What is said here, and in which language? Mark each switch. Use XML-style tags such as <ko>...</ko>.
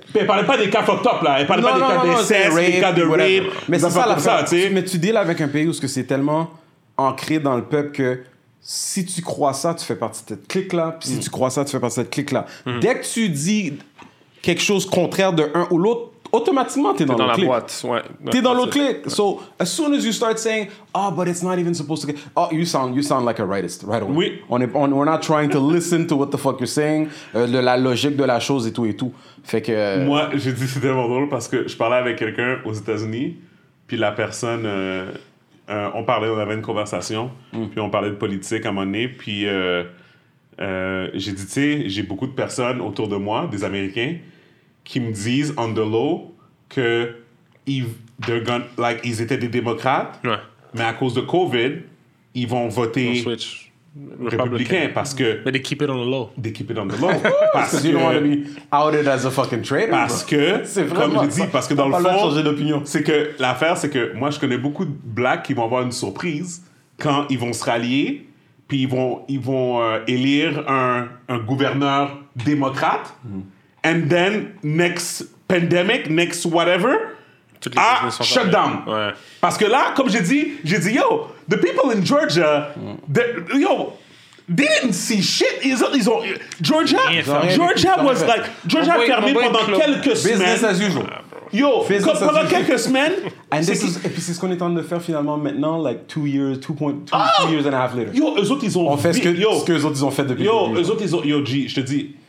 <fr>Elle ne parlait pas des cas fucked up, là. Elle ne parlait pas des cas d'inceste, des cas de rape. Mais c'est ça, la frère. Mais tu deals avec un pays où c'est tellement ancré dans le peuple que si tu crois ça, tu fais partie de cette clique-là. Puis si tu crois ça, tu fais partie de cette clique-là. Dès que tu dis quelque chose contraire de un ou l'autre, automatiquement, t'es dans la clique. Boîte. Ouais. T'es dans l'autre clique.</fr> <en>So, as soon as you start saying, oh, but it's not even supposed to get... Oh, you sound like a rightist, right away.</en> <fr>Oui.</fr> <en>We're not trying to listen to what the fuck you're saying, la logique de la chose et tout et tout. Fait que...</en> <fr>Moi, j'ai dit, c'était vraiment drôle parce que je parlais avec quelqu'un aux États-Unis, puis la personne... on parlait, on avait une conversation, puis on parlait de politique à un moment donné, puis... j'ai dit, tu sais, j'ai beaucoup de personnes autour de moi, des Américains, qui me disent, on the low, que ils étaient des démocrates, mais à cause de COVID, ils vont voter républicain parce que...</fr> <en>Mais they keep it on the low. They keep it on the low. Parce que... You don't want to be outed as a fucking traitor.</en> <fr>Parce que, comme je dis, parce que dans le fond... On va changer d'opinion. C'est que l'affaire, c'est que moi, je connais beaucoup de blacks qui vont avoir une surprise quand ils vont se rallier... Puis ils vont élire un gouverneur démocrate.</fr> <en>And then, next pandemic, next whatever, shut down.</en> <fr>Ouais.</fr> <en>Parce que là, comme j'ai dit, yo, the people in Georgia, yo, they didn't see shit.</en> <fr>Ils ont Georgia was like, Georgia a fermé pendant quelques</fr> <en>business</en> <fr>semaines.</fr> <en>Business as usual.</en> <fr>Yo, pendant quelques semaines. Et puis c'est ce qu'on est en train de faire finalement maintenant, like two years and a half later. Yo, eux autres ils ont. On fait ce que eux autres ils ont fait depuis. Yo, eux autres ils ont. Yo, G, je te dis.</fr>